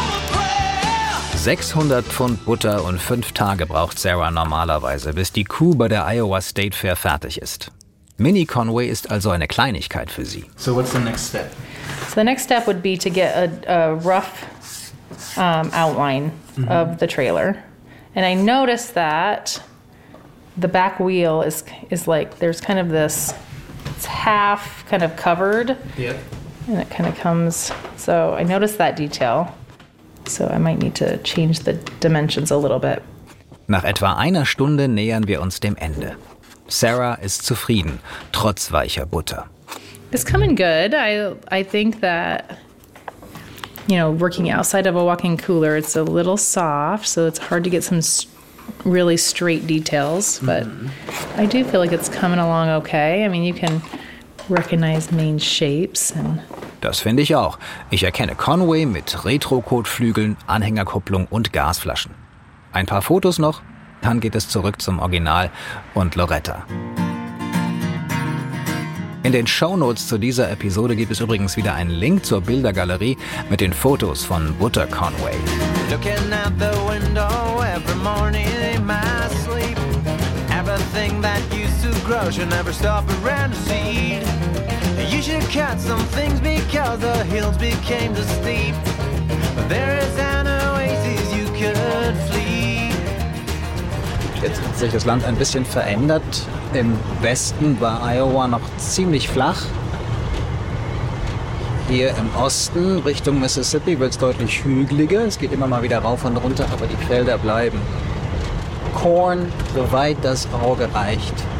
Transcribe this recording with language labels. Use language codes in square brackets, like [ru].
[de] £600 Butter und 5 Tage braucht Sarah normalerweise, bis die Kuh bei der Iowa State Fair fertig ist. Mini Conway ist also eine Kleinigkeit für sie. [en] So what's the next step? So the next step would be to get a rough outline mm-hmm. of the trailer. And I noticed that the back wheel is like, there's kind of this, it's half kind of covered. Yep. And it kind of comes, so I noticed that detail. So I might need to change the dimensions a little bit. [de] Nach etwa einer Stunde nähern wir uns dem Ende. Sarah ist zufrieden, trotz weicher Butter. [en] It's coming good. I think that, you know, working outside of a walk-in cooler, it's a little soft, so it's hard to get some really straight details, but I do feel like it's coming along okay. I mean, you can recognize main shapes. And [de] das finde ich auch. Ich erkenne Conway mit Retro-Kotflügeln, Anhängerkupplung und Gasflaschen. Ein paar Fotos noch, dann geht es zurück zum Original und Loretta. In den Shownotes zu dieser Episode gibt es übrigens wieder einen Link zur Bildergalerie mit den Fotos von Butter Conway. [en] Looking out the window every morning in my sleep. Everything that used to grow should never stop around a seed. You should cut some things because the hills became too steep. There is an oasis you could flee. [de] Jetzt hat sich das Land ein bisschen verändert. Im Westen war Iowa noch ziemlich flach. Hier im Osten, Richtung Mississippi, wird es deutlich hügeliger. Es geht immer mal wieder rauf und runter, aber die Felder bleiben. Korn, soweit das Auge reicht.